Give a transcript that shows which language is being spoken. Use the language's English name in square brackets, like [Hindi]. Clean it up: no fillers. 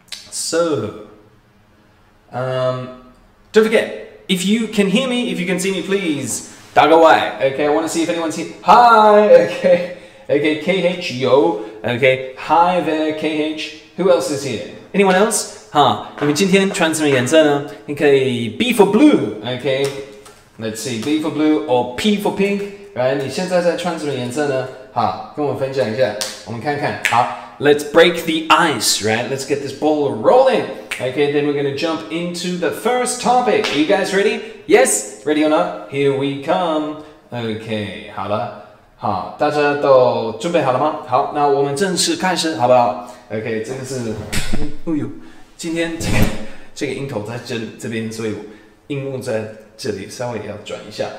[English] So, don't forget, if you can hear me, if you can see me, please, [Chinese] 打个 [English] Y, okay? I want to see if anyone's here. Hi, okay, KH, yo, okay, hi there, KH, who else is here? Anyone else? [Chinese] 好，你们今天穿什么颜色呢？你可以 [English] B for blue, OK? Let's see, B for blue or P for pink, right? [Chinese] 你现在在穿什么颜色呢？好，跟我分享一下，我们看看。好， [English] Let's break the ice, right? Let's get this ball rolling. OK, then we're going to jump into the first topic. Are you guys ready? Yes? Ready or not? Here we come. [Chinese] OK, 好了，好，大家都准备好了吗？好，那我们正式开始，好不好？OK, 这个是，哎呦。今天这个音头在这边，所以我音幕在这里稍微要转一下。